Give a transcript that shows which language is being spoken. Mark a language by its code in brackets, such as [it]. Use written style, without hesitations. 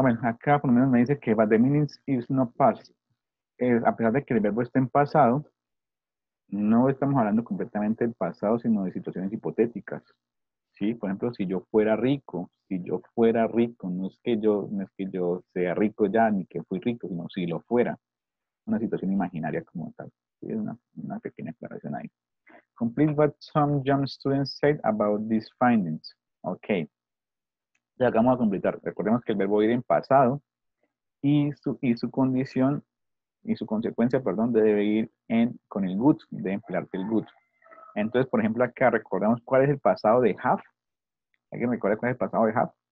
[es] Bueno, acá por lo menos me dice que [en] but the meaning is not past. [es] A pesar de que el verbo esté en pasado, no estamos hablando completamente del pasado, sino de situaciones hipotéticas. ¿Sí? Por ejemplo, si yo fuera rico, no es que yo sea rico ya, ni que fui rico, sino si lo fuera. Una situación imaginaria como tal. ¿Sí? Una pequeña aclaración ahí. [en] Complete what some young students said about these findings. [es] Ok. Ya acabamos de completar. Recordemos que el verbo ir en pasado y su consecuencia, debe ir con el good, debe emplearte el good. Entonces, por ejemplo, acá recordamos cuál es el pasado de have. ¿Alguien recuerda cuál es el pasado de have?